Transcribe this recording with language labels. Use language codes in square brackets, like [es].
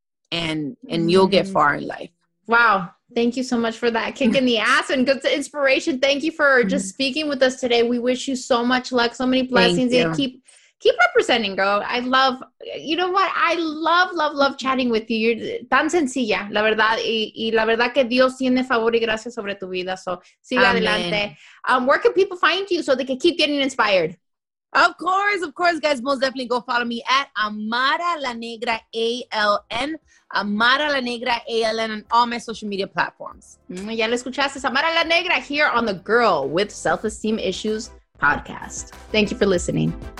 [en] And you'll get far in life. Wow. Thank you so much for that kick in the ass and good inspiration. Thank you for just speaking with us today. We wish you so much luck, so many blessings. Thank you. And keep representing, girl. I love, you know what? I love, love, love chatting with you. You're [es] tan sencilla, la verdad. Y la verdad que Dios tiene favor y gracia sobre tu vida. [en] So, [es] sigue adelante. [en] Where can people find you so they can keep getting inspired? Of course, guys, most definitely go follow me at Amara La Negra, A-L-N, Amara La Negra, A-L-N, on all my social media platforms. [es] Ya lo escuchaste, [en] Amara La Negra here on the Girl with Self-Esteem Issues podcast. Thank you for listening.